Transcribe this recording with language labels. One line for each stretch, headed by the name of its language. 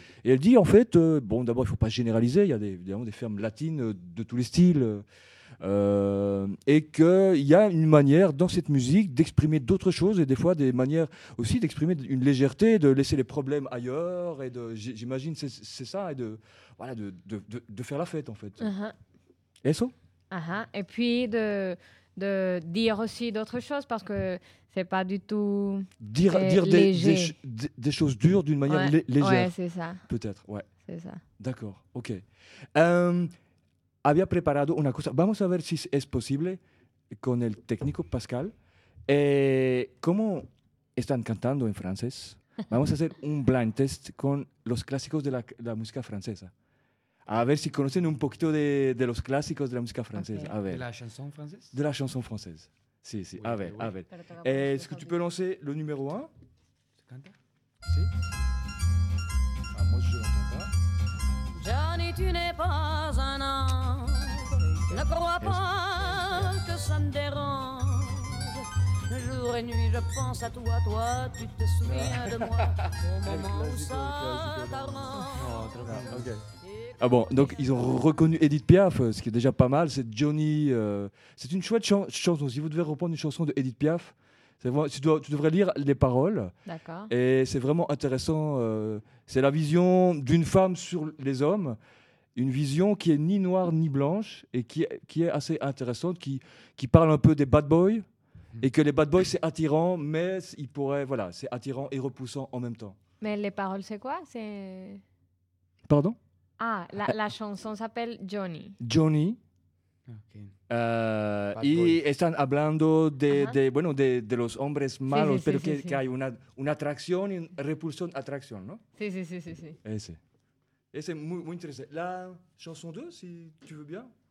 French: Et elle dit, en fait, bon, d'abord, il ne faut pas généraliser, il y a évidemment des femmes latines de tous les styles, et qu'il y a une manière dans cette musique d'exprimer d'autres choses, et des fois des manières aussi d'exprimer une légèreté, de laisser les problèmes ailleurs, et de, j'imagine, c'est ça, et de, voilà, de faire la fête, en fait.
Spanish: Eso?
French: Et puis de dire aussi d'autres choses, parce que c'est pas du tout dire des choses dures d'une manière légère. Ouais, c'est ça. Peut-être, ouais. C'est ça. D'accord, ok.
Spanish: Había preparado una cosa. Vamos a ver si es posible con el técnico Pascal. ¿Cómo están cantando en francés? Vamos a hacer un blind test con los clásicos de la, la música francesa. A ver si conocen un poquito de los clásicos de la música francesa. Okay. A ver.
French: ¿De la chanson française? De la chanson française.
Spanish: Sí, sí.
French: Oui,
Spanish: a ver,
French: oui.
Spanish: A ver.
French: ¿Est-ce que tu peux lancer le numéro 1?
Spanish: ¿Se canta? Sí. Vamos,
French: je l'entends pas. Johnny, tu n'es pas un ange. Ne crois pas que ça me dérange. Jour et nuit, je pense à toi, toi, tu te souviens de moi. Au moment où ça t'arrange. Oh, très bien. Ok. Ah bon, donc ils ont reconnu Edith Piaf, ce qui est déjà pas mal, c'est Johnny, c'est une chouette chanson, si vous devez reprendre une chanson de Edith Piaf, c'est, tu devrais lire les paroles. D'accord. Et c'est vraiment intéressant, c'est la vision d'une femme sur les hommes, une vision qui est ni noire ni blanche, et qui est assez intéressante, qui parle un peu des bad boys, et que les bad boys c'est attirant, mais il pourrait, voilà, c'est attirant et repoussant en même temps. Mais les paroles c'est quoi? C'est... Pardon? Ah, la chanson s'appelle Johnny. Johnny. Okay.
Spanish: Y están hablando de los hombres malos, sí, sí, pero sí, que hay una atracción y repulsión, atracción, ¿no? Sí, sí, sí, sí, sí. Ese es muy, muy interesante.
French: La chanson 2, si tu veux bien.